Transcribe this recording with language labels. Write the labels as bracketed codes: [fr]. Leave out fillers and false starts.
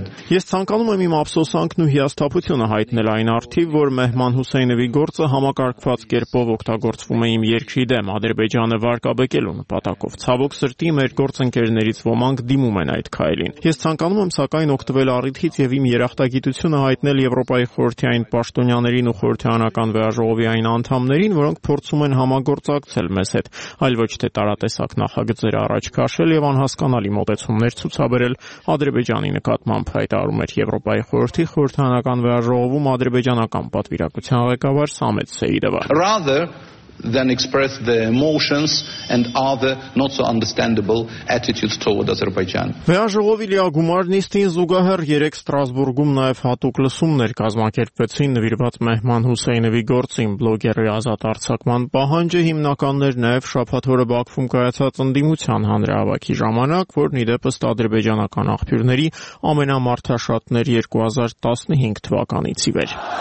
[hy] Ես ցանկանում եմ իմ ափսոսանքն ու հիասթափությունը հայտնել այն արդի, որ Մեհման Հուսեյնովի գործը համակարգված կերպով օգտագործվում է իմ երկրի դեմ, Ադրբեջանը վարկաբեկելու նպատակով։ Ցավոք սրտի, մեր գործընկերներից ոմանք դիմում են այդ քայլին։ Ես ցանկանում եմ, սակայն, օգտվել առիթից և իմ երախտագիտությունը հայտնել Եվրոպայի խորհրդային պաշտոնյաներին ու խորհրդանական վերաժողովի այն անդամներին, որոնք փորձում են համագործակցել մեզ հետ, այլ ոչ թե տարատեսակ նախագծեր առաջ քաշել և անհասկանալի մոտեցումներ ցուցաբերել, Ադրբեջանի նկատմամբ հայտարարում էր Եվրոպայի խորհրդի խորհրդանական վերաժողովում ադրբեջանական պատվիրակության ղեկավար Սամեդ Սեյիդովը։ [en] Than express their emotions and other not so understandable attitudes toward Azerbaijan. [hy] Վերաժողովի լիագումարնիստին զուգահեռ 3 Ստրասբուրգում նաև հատուկ լսումներ կազմակերպվեցին նվիրված Մեհման Հուսեյնովի գործին, բլոգերի ազատ արձակման պահանջը հիմնականներ նաև շաբաթօրը Բաքվում կայացած ընդդիմության հանրահավաքի ժամանակ, որն ի դեպ ըստ ադրբեջանական աղբյուրների ամենամարդաշատն էր 2015 թվականից ի վեր։